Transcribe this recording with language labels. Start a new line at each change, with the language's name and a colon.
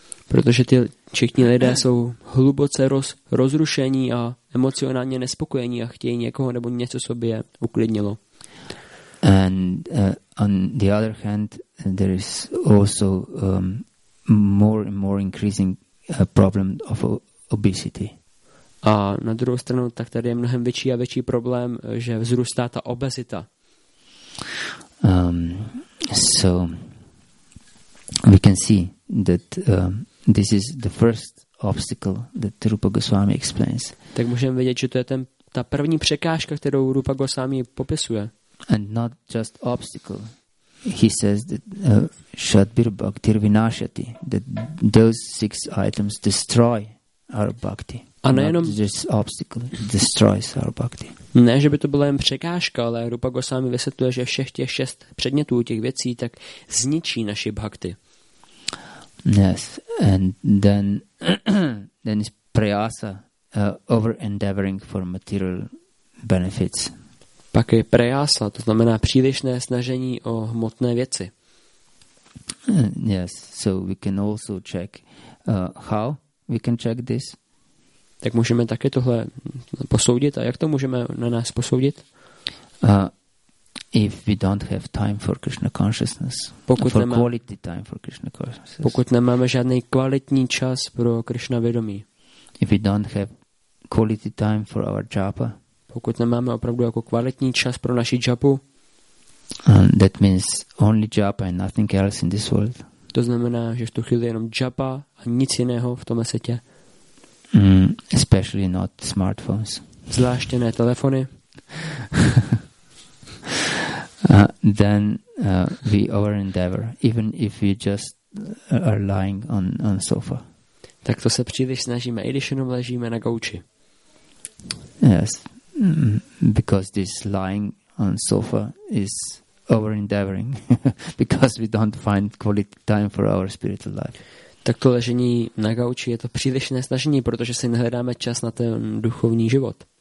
Czech: Protože ty všichni lidé jsou hluboce rozrušení a emocionálně nespokojení a chtějí někoho nebo něco sobě uklidnilo.
English: And on the other hand, there is also more and more increasing problem of obesity.
Czech: A na druhou stranu, tak tady je mnohem větší a větší problém, že vzrůstá ta obezita.
English: So we can see that this is the first obstacle that Rupa Goswami explains.
Czech: Tak můžeme vidět, že to je ta první překážka, kterou Rupa Goswami popisuje.
English: And not just obstacle. He says that
Sanskrit: Shatbir Bhakti Vinashati,
English: that those six items destroy our bhakti.
Czech: A nejenom,
English: not just obstacle, it destroys our bhakti.
Czech: Ne, že by to byla jen překážka, ale Rupa Goswami vysvětluje, že všech těch šest předmětů těch věcí tak zničí naši bhakti.
English: Yes, and then then is prayasa, over-endeavoring for material benefits.
Czech: Pak je prejásla, to znamená přílišné snažení o hmotné věci.
English: Yes, so we can also check how we can check this.
Czech: Tak můžeme také tohle posoudit a jak to můžeme na nás posoudit?
English: If we don't have time for Krishna consciousness, quality time for Krishna consciousness.
Czech: Pokud nemáme žádný kvalitní čas pro Krishna vědomí.
English: If we don't have quality time for our japa.
Czech: Pokud nemáme opravdu jako kvalitní čas pro naši japu.
English: That means only japa and nothing else in this world.
Czech: To znamená, že v tu chvíli jenom japa a nic jiného v tomhle světě.
English: Especially not smartphones.
Czech: Zvláště ne telefony.
English: then we over endeavor, even if we just are lying on sofa.
Czech: Tak to se příliš snažíme, i když jenom ležíme na gauči.
English: Yes. Because this lying on sofa is over endeavoring because we don't find quality time for our spiritual life.
Czech: Tak to ležení na gauči je to přílišné snažení, protože si nehledáme čas na ten duchovní život.